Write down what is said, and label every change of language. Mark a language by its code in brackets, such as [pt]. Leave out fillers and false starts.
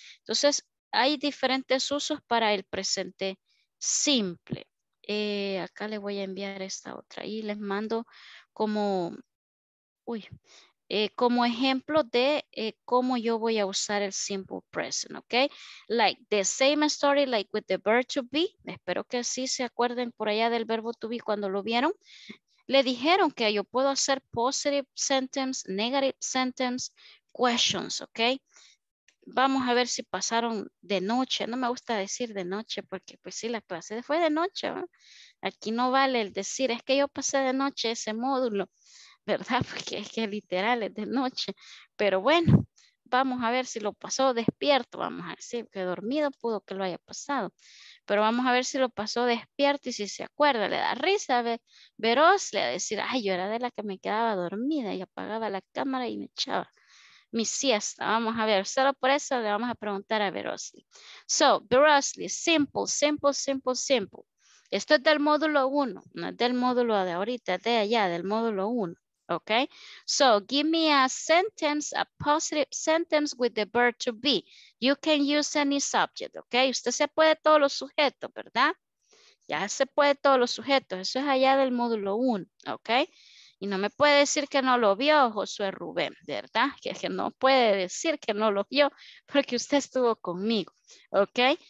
[es] Entonces, hay diferentes usos para el presente simple. Acá le voy a enviar esta otra y les mando como, como ejemplo de cómo yo voy a usar el simple present, ¿ok? [en] Like the same story like with the verb to be. [es] Espero que sí se acuerden por allá del verbo to be cuando lo vieron. Le dijeron que yo puedo hacer positive sentence, negative sentence, questions, ¿ok? Vamos a ver si pasaron de noche. No me gusta decir de noche porque pues sí, la clase fue de noche, ¿no? Aquí no vale el decir, es que yo pasé de noche ese módulo, ¿verdad? Porque es que literal es de noche. Pero bueno, vamos a ver si lo pasó despierto. Vamos a decir que dormido pudo que lo haya pasado. Pero vamos a ver si lo pasó despierto y si se acuerda. Le da risa a Veros, le va a decir, ay, yo era de la que me quedaba dormida y apagaba la cámara y me echaba mi siesta. Vamos a ver, solo por eso le vamos a preguntar a Verosly. So, Verosly, simple, simple, simple, simple. Esto es del módulo 1, no es del módulo de ahorita, de allá, del módulo 1. Ok. [en] So, give me a sentence, a positive sentence with the verb to be. [es] You can use any subject, ok. Usted se puede todos los sujetos, ¿verdad? Ya se puede todos los sujetos, eso es allá del módulo 1, ok. Y no me puede decir que no lo vio Josué Rubén, ¿verdad? Que no puede decir que no lo vio porque usted estuvo conmigo, ¿ok?